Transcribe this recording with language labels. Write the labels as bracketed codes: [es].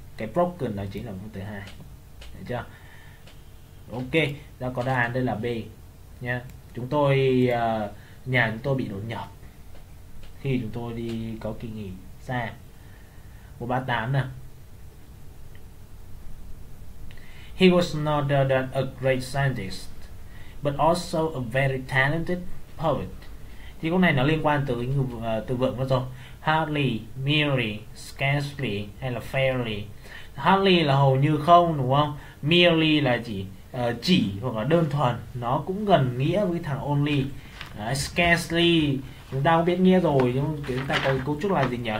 [vi] Cái broken đó chính là phần thứ hai. Được chưa? Ok, ta có đáp án đây là B nha. Chúng tôi nhà chúng tôi bị đột nhập khi chúng tôi đi có kỳ nghỉ xa. 138 nè. [en] He was not a great scientist, but also a very talented poet. [vi] Thì câu này nó liên quan tới từ vựng đó rồi. Hardly, merely, scarcely hay là fairly. Hardly là hầu như không, đúng không? Merely là chỉ hoặc là đơn thuần. Nó cũng gần nghĩa với thằng only. Scarcely, chúng ta cũng biết nghĩa rồi, nhưng chúng ta có cấu trúc là gì nhỉ?